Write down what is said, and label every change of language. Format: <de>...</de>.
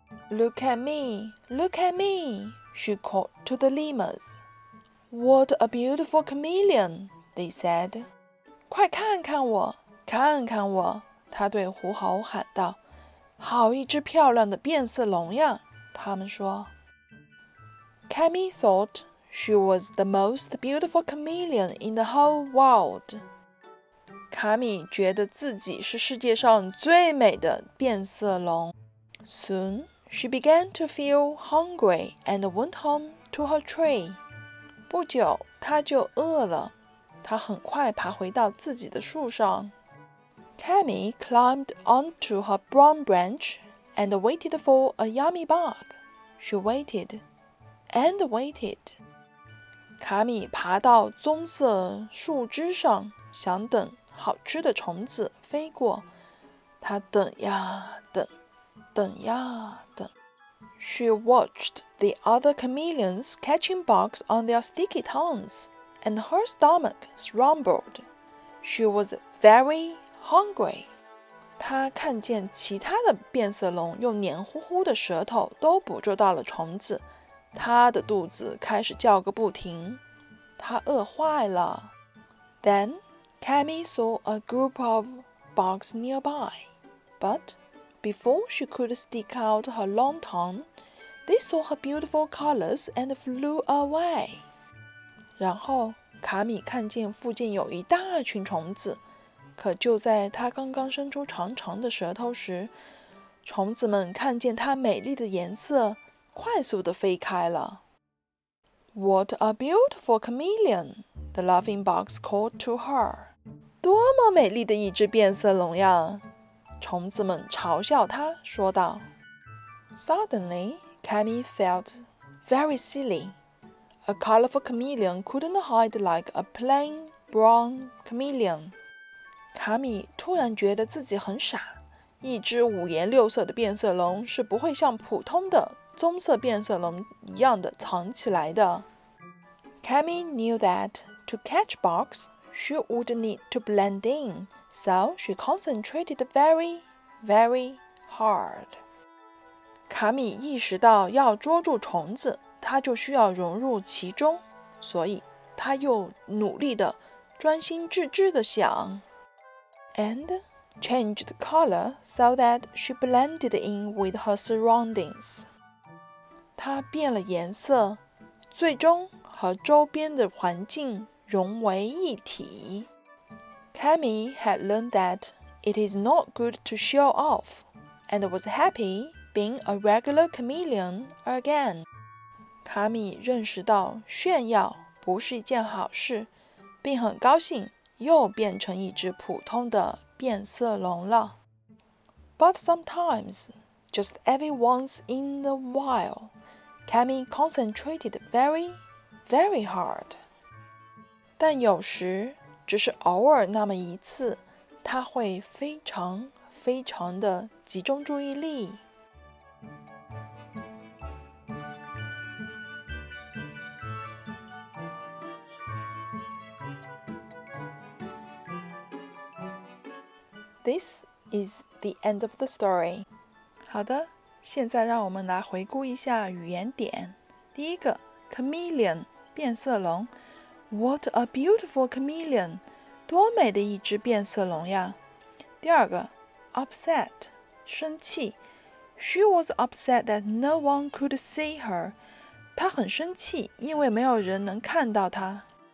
<en>Look at me, look at me, she called to the lemurs. What a beautiful chameleon, they said.</en> <zh>快看看我，看看我，它对狐猴喊道。好一只漂亮的变色龙呀，他们说。</zh> <en>Cammy thought,She was the most beautiful chameleon in the whole world.</en> <zh>卡米觉得自己是世界上最美的变色龙。</zh> <en>Soon, she began to feel hungry and went home to her tree.</en> <zh>不久，她就饿了。她很快爬回到自己的树上。</zh> <en>Tammy climbed onto her brown branch and waited for a yummy bug. She waited and waited.</en> <zh>卡米爬到棕色树枝上，想等好吃的虫子飞过。他等呀等，等呀等。</zh> <en>She watched the other chameleons catching bugs on their sticky tongues, and her stomach rumbled. She was very hungry.</en> <zh>她看见其他的变色龙用黏糊糊的舌头都捕捉到了虫子，她的肚子开始叫个不停。她饿坏了。</zh> <en>Then, Cammy saw a group of bugs nearby. But before she could stick out her long tongue, they saw her beautiful colors and flew away.</en> <zh>然后卡米看见附近有一大群虫子，可就在她刚刚伸出长长的舌头时，虫子们看见她美丽的颜色，快速地飞开了。</zh> <en>What a beautiful chameleon! The laughing bugs called to her.</en> <zh>多么美丽的一只变色龙呀！虫子们嘲笑她说道。</zh> <en>Suddenly, Cammy felt very silly. A colorful chameleon couldn't hide like a plain brown chameleon.</en> <zh>卡米突然觉得自己很傻，一只五颜六色的变色龙是不会像普通的棕色变色龙一样的藏起来的。</zh> <en>Cammy knew that to catch bugs, she would need to blend in, so she concentrated very, very hard.</en> <zh>卡米意识到要捉住虫子，她就需要融入其中，所以她又努力地专心致志地想。</zh> <en>And changed color so that she blended in with her surroundings.</en> <zh>她变了颜色，最终和周边的环境融为一体。</zh> <en>Cammy had learned that it is not good to show off, and was happy being a regular chameleon again.</en> <zh>卡米认识到炫耀不是一件好事，并很高兴又变成一只普通的变色龙了。</zh> <en>But sometimes, just every once in a while, Cammy concentrated very, very hard.</en> <zh>但有时，只是偶尔那么一次，他会非常非常的集中注意力。</zh> <en>This is the end of the story.</en> <zh>好的，现在让我们来回顾一下语言点。第一个 ,chameleon, 变色龙。</zh> <en>What a beautiful chameleon,</en> <zh>多美的一只变色龙呀。第二个 ,upset, 生气。</zh> <en>She was upset that no one could see her.</en> <zh>她很生气，因为没有人能看到她。</zh>